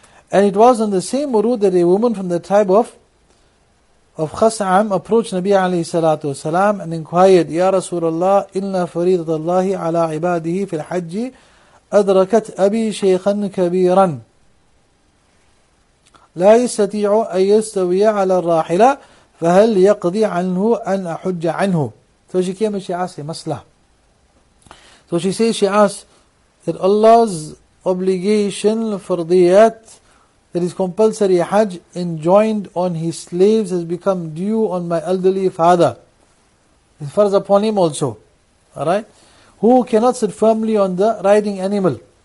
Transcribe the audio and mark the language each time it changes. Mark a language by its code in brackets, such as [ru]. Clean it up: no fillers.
[en] And it was on the same route that a woman from the tribe of Khas'am approached Nabi alayhi salatu wasalam and inquired, [ar] Ya Rasulullah, inna faridatallahi ala ibadihi fil hajji adrakat abi shaykhan kabiran. لا يستطيع أن يستوي على الراحلة فهل يقضي عنه أن أحج عنه. [en] So she came and she asked a masla. So she says, she asked that Allah's obligation, fardiyat, that is compulsory hajj enjoined on his slaves has become due on my elderly father. It's farz upon him also. Alright? Who cannot sit firmly on the riding animal.